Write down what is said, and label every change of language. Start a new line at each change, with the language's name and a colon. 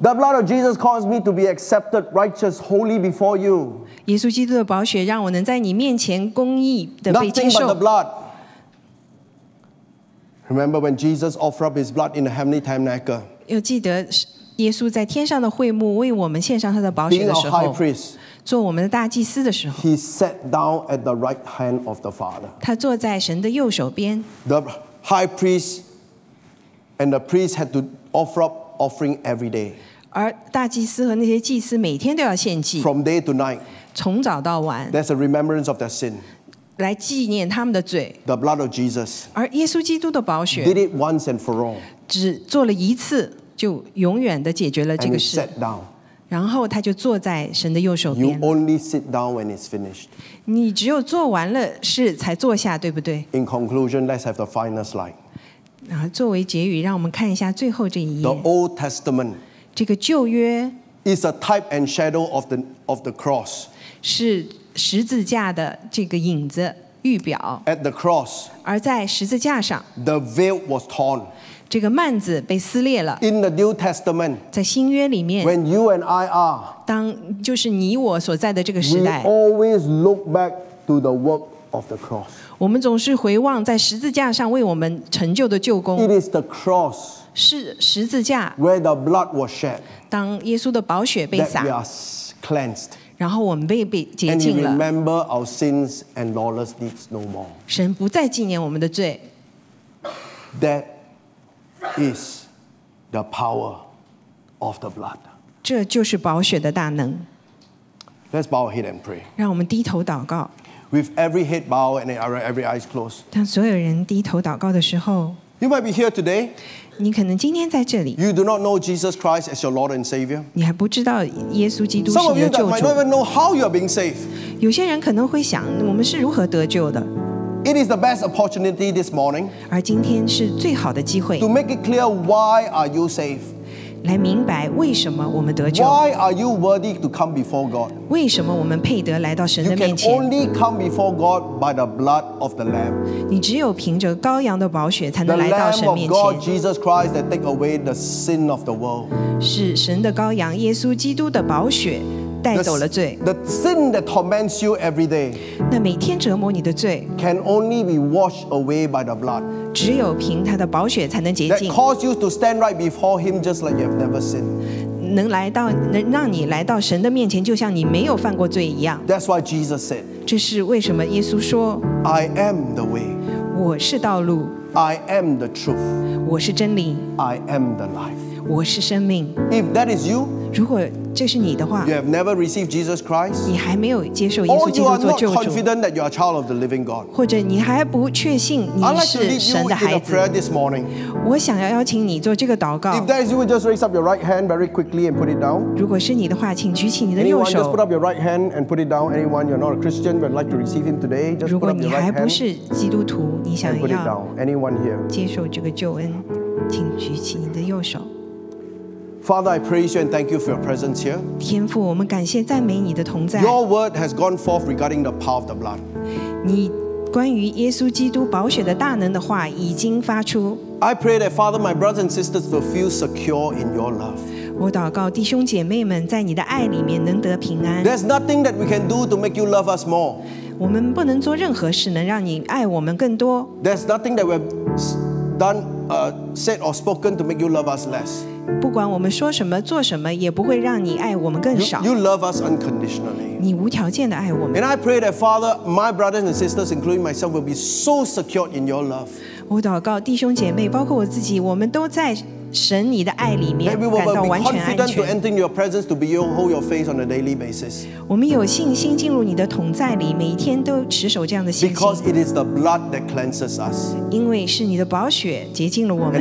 English: The blood of Jesus causes me to be accepted, righteous, holy before you.
Chinese: 耶稣基督的宝血让我能在你面前公义的被接受。
English: Nothing but the blood. Remember when Jesus offered up his blood in the heavenly tabernacle.
Chinese: 又记得耶稣在天上的会幕为我们献上他的宝血的时候。
English: Being a high priest.
Chinese: 做我们的大祭司的时候，
English: He sat down at the right hand of the Father.
Chinese: 他坐在神的右手边。
English: The high priest and the priest had to offer up offering every day.
Chinese: 而大祭司和那些祭司每天都要献祭。
English: From day to night.
Chinese: 从早到晚。
English: There's a remembrance of their sin.
Chinese: 来纪念他们的罪。
English: The blood of Jesus.
Chinese: 而耶稣基督的宝血。
English: Did it once and for all.
Chinese: 只做了一次，就永远地解决了这个事。
English: And he sat down.
Chinese: 然后他就坐在神的右手边。
English: You only sit down when it's finished.
Chinese: 你只有做完了事才坐下，对不对？
English: In conclusion, let's have the final slide.
Chinese: 然后作为结语，让我们看一下最后这一页。
English: The Old Testament.
Chinese: 这个旧约。
English: Is a type and shadow of the cross.
Chinese: 是十字架的这个影子。预表
English: at the cross,
Chinese: 而在十字架上
English: the veil was torn,
Chinese: 这个幔子被撕裂了
English: in the New Testament,
Chinese: 在新约里面
English: when you and I are,
Chinese: 当就是你我所在的这个时代
English: we always look back to the work of the cross,
Chinese: 我们总是回望在十字架上为我们成就的救工
English: it is the cross,
Chinese: 是十字架
English: where the blood was shed,
Chinese: 当耶稣的宝血被洒
English: that we are cleansed,
Chinese: 然后我们被洁净了。
English: And you remember our sins and lawless deeds no more.
Chinese: 神不再纪念我们的罪。
English: That is the power of the blood.
Chinese: 这就是宝血的大能。
English: Let's bow our head and pray.
Chinese: 让我们低头祷告。
English: With every head bowed and every eyes closed.
Chinese: 当所有人低头祷告的时候。
English: You might be here today.
Chinese: 你可能今天在这里。
English: You do not know Jesus Christ as your Lord and Savior.
Chinese: 你还不知道耶稣基督是你的救主。
English: Some of you might not even know how you are being saved.
Chinese: 有些人可能会想，我们是如何得救的。
English: It is the best opportunity this morning.
Chinese: 而今天是最好的机会。
English: To make it clear why are you saved.
Chinese: 来明白为什么我们得救。
English: Why are you worthy to come before God?
Chinese: 为什么我们配得来到神的面前。
English: You can only come before God by the blood of the Lamb.
Chinese: 你只有凭着羔羊的宝血才能来到神面前。
English: The Lamb of God, Jesus Christ, that take away the sin of the world.
Chinese: 是神的羔羊耶稣基督的宝血带走了罪。
English: The sin that torments you every day.
Chinese: 那每天折磨你的罪。
English: Can only be washed away by the blood.
Chinese: 只有凭他的宝血才能洁净。
English: That cause you to stand right before him just like you have never sinned.
Chinese: 能来到，能让你来到神的面前，就像你没有犯过罪一样。
English: That's why Jesus said.
Chinese: 这是为什么耶稣说。
English: I am the way.
Chinese: 我是道路。
English: I am the truth.
Chinese: 我是真理。
English: I am the life.
Chinese: 我是生命。
English: If that is you.
Chinese: 如果这是你的话。
English: You have never received Jesus Christ.
Chinese: 你还没有接受耶稣基督做救主。
English: Or you are not confident that you are a child of the living God.
Chinese: 或者你还不确信你是神的孩子。
English: I'd like to lead you in a prayer this morning.
Chinese: 我想要邀请你做这个祷告。
English: If that is you, just raise up your right hand very quickly and put it down.
Chinese: 如果是你的话，请举起你的右手。
English: Anyone, just put up your right hand and put it down. Anyone, you're not a Christian, but like to receive Him today, just put up your right hand.
Chinese: 如果你还不是基督徒，你想要。
English: Put it down. Anyone here?
Chinese: 接受这个救恩，请举起你的右手。
English: Father, I praise you and thank you for your presence here.
Chinese: 天父，我们感谢赞美你的同在。
English: Your word has gone forth regarding the power of the blood.
Chinese: 你关于耶稣基督宝血的大能的话已经发出。
English: I pray that Father, my brothers and sisters will feel secure in your love.
Chinese: 我祷告弟兄姐妹们在你的爱里面能得平安。
English: There's nothing that we can do to make you love us more.
Chinese: 我们不能做任何事能让你爱我们更多。
English: There's nothing that we've done, said or spoken to make you love us less.
Chinese: 不管我们说什么做什么也不会让你爱我们更少
English: you love us unconditionally
Chinese: 你无条件的爱我们
English: and I pray that Father my brothers and sisters including myself will be so secured in your love
Chinese: 我祷告弟兄姐妹包括我自己我们都在神你的爱里面感到完全安全
English: we will be confident to enter your presence to be your, hold your face on a daily basis
Chinese: 我们有信心进入你的同在里每天都持守这样的信心
English: because it is the blood that cleanses us
Chinese: 因为是你的宝血洁净了我们